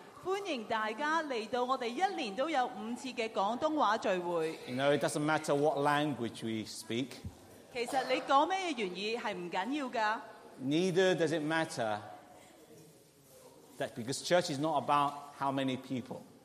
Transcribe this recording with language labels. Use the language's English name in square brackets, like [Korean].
[Chinese] 歡迎大家來到我們一年都有5次的廣東話聚會。 [English] You know, it doesn't matter what language we speak. [Chinese] 其實你講什麼原意是不要緊的。 [English] Neither does it matter that because church is not about how many people.